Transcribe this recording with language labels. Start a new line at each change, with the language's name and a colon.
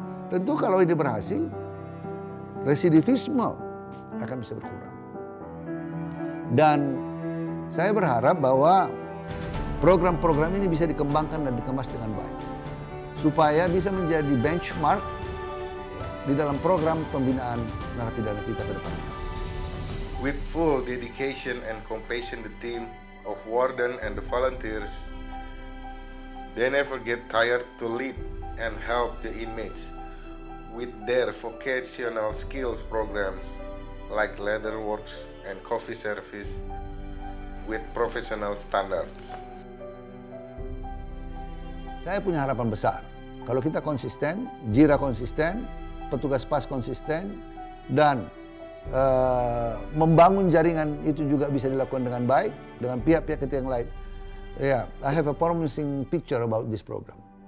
Indonesian: Tentu kalau ini berhasil, residivisme akan bisa berkurang. Dan saya berharap bahwa program-program ini bisa dikembangkan dan dikemas dengan baik. Supaya bisa menjadi benchmark di dalam program pembinaan narapidana kita ke depannya.
English: With full dedication and compassion, the team of warden and the volunteers, they never get tired to lead and help the inmates with their vocational skills programs like leather works and coffee service with professional standards.
Indonesian: Saya punya harapan besar. Kalau kita konsisten, Jeera konsisten, petugas PAS konsisten, dan membangun jaringan itu juga bisa dilakukan dengan baik dengan pihak-pihak ketiga yang lain.
English: Yeah, I have a promising picture about this program.